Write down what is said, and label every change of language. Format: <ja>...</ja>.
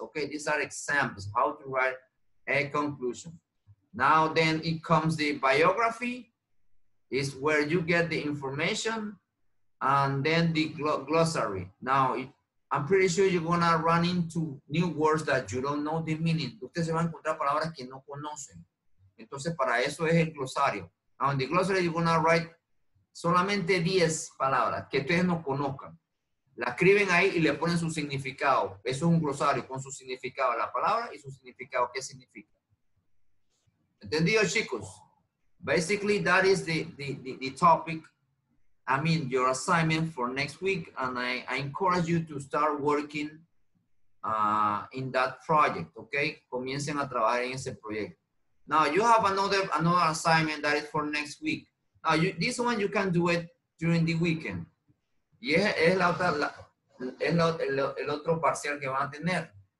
<en>Okay, these are examples how to write a conclusion. Now then it comes the biography. Is where you get the information, and then the glossary. Now, I'm pretty sure you're gonna run into new words that you don't know the meaning.</en> <es>Usted se va a encontrar palabras que no conocen. Entonces, para eso es el glosario.</es> <en>Now, in the glossary, you're gonna write</en> <es>solamente 10 palabras que ustedes no conozcan. La escriben ahí y le ponen su significado. Eso es un glosario con su significado, la palabra y su significado, qué significa. ¿Entendido, chicos?</es> <en>Basically, that is the topic, I mean, your assignment for next week, and I encourage you to start working in that project, okay?</en> <es>Comiencen a trabajar en ese proyecto.</es> <en>Now, you have another assignment that is for next week. Now, this one, you can do it during the weekend.</en> <es>Y es el otro parcial que van a tener.</es>